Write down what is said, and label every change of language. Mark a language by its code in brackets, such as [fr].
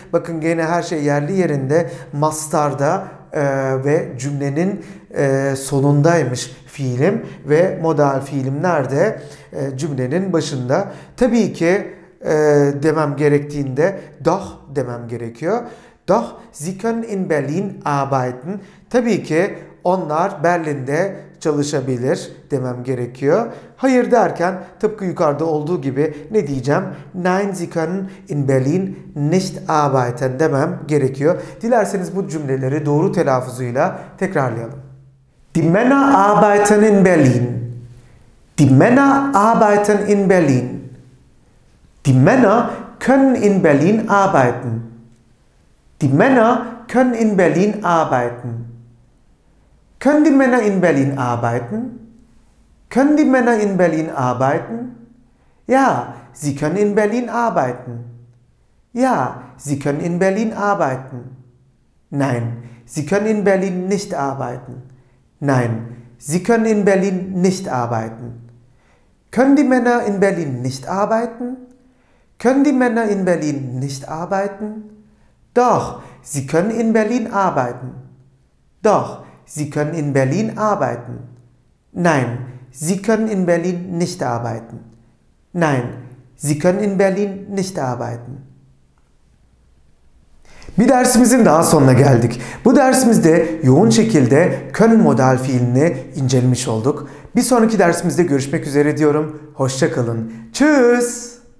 [tr] Bakın gene her şey yerli yerinde mastarda ve cümlenin sonundaymış fiilim ve modal fiilim nerede? Cümlenin başında. Tabii ki demem gerektiğinde doch demem gerekiyor. [de] Doch sie können in Berlin arbeiten. [tr] Tabii ki onlar Berlin'de çalışabilir demem gerekiyor. Hayır derken tıpkı yukarıda olduğu gibi ne diyeceğim? [de] Nein, sie können in Berlin nicht arbeiten [tr] demem gerekiyor. Dilerseniz bu cümleleri doğru telaffuzuyla tekrarlayalım. [de] Die Männer arbeiten in Berlin. Die Männer arbeiten in Berlin. Die Männer können in Berlin arbeiten. Die Männer können in Berlin arbeiten. Können die Männer in Berlin arbeiten? Können die Männer in Berlin arbeiten? Ja, sie können in Berlin arbeiten. Ja, sie können in Berlin arbeiten. Nein, sie können in Berlin nicht arbeiten. Nein, sie können in Berlin nicht arbeiten. Können die Männer in Berlin nicht arbeiten? Können die Männer in Berlin nicht arbeiten? Doch, sie können in Berlin arbeiten. Doch, sie können in Berlin arbeiten. Nein, sie können in Berlin nicht arbeiten. Nein, sie können in Berlin nicht arbeiten. [tr] Bir dersimizin daha sonuna geldik. Bu dersimizde yoğun şekilde können modal fiilini incelemiş olduk. Bir sonraki dersimizde görüşmek üzere diyorum. Hoşça kalın. Tschüss.